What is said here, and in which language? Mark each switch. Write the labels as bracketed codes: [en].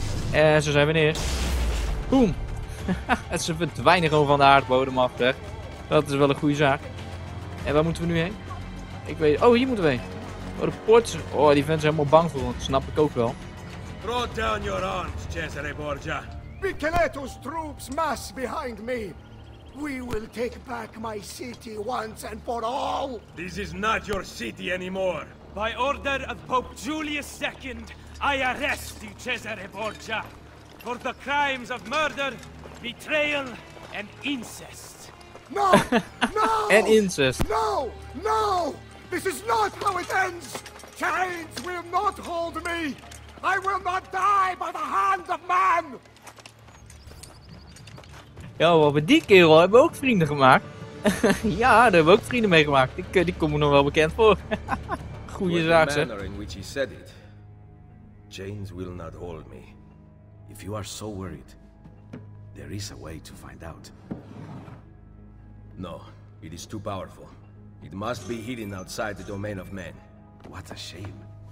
[nl] En zo zijn we neer. Boom. Ze verdwijnen gewoon van de aardbodem af, hè. Dat is wel een goede zaak. En waar moeten we nu heen? Ik weet... Oh, hier moeten we heen. Oh, de poort. Oh, die fans zijn helemaal bang voor ons. Snap ik ook wel. [en] Throw down your arms, Cesare Borgia. Micheletto's troops mass behind me. We will take back my city once and for all. This is not your city anymore. By order of Pope Julius II, I arrest you, Cesare Borgia. For the crimes of murder... Betrayal and incest. No! No! And incest. No! No! This is not how it ends! Chains will not hold me! I will not die by the hand of man! [nl] Ja, maar met die kerel hebben we ook vrienden gemaakt. Ja, daar hebben we ook vrienden mee gemaakt. Die komen nog wel bekend voor. Goeie zaak, zeg. [en] Manner in which he said it. Chains will not hold me. If you are so worried, there is a way to find out. No, it is too powerful. It must be hidden outside the domain of men. What a shame.